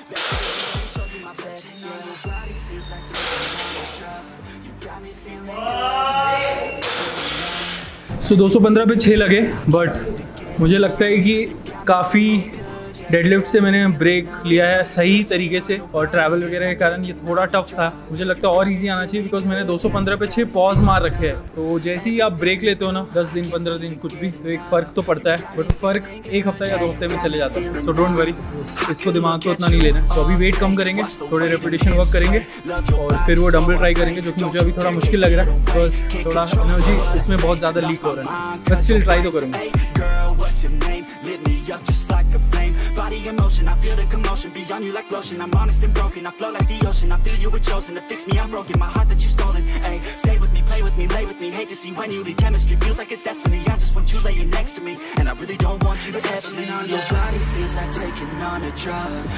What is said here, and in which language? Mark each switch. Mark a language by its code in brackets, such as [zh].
[en] Show you my bed, touching on your body feels like taking on the drug. You got me feeling good. [hi] So 215 पे 6 लगे, but मुझे लगता है कि काफ़ी डेडलिफ्ट से मैंने ब्रेक लिया है सही तरीके से, और ट्रैवल वगैरह के कारण ये थोड़ा टफ था. मुझे लगता है और इजी आना चाहिए, बिकॉज मैंने 215 पे 6 पॉज मार रखे हैं. तो जैसे ही आप ब्रेक लेते हो ना, 10 दिन 15 दिन कुछ भी, तो एक फ़र्क तो पड़ता है, बट फर्क एक हफ्ता या दो हफ्ते में चले जाता है. [en] so don't worry, [hi] इसको दिमाग को उतना नहीं लेना. तो अभी वेट कम करेंगे, थोड़े रेपिटेशन वर्क करेंगे, और फिर वो डंबल ट्राई करेंगे, जो कि मुझे अभी थोड़ा मुश्किल लग रहा है, बिकॉज थोड़ा एनर्जी इसमें बहुत ज़्यादा लीक हो रहा है. बट स्टिल ट्राई तो करूँगा. [en] Up just like a flame, body in motion. I feel the commotion beyond you like lotion. I'm honest and broken. I flow like the ocean. I feel you were chosen to fix me. I'm broken. My heart that you've stolen. Ay, stay with me, play with me, lay with me. Hate to see when you leave. Chemistry feels like it's destiny. I just want you laying next to me, and I really don't want you to touch me. Your body feels like taking on a drug.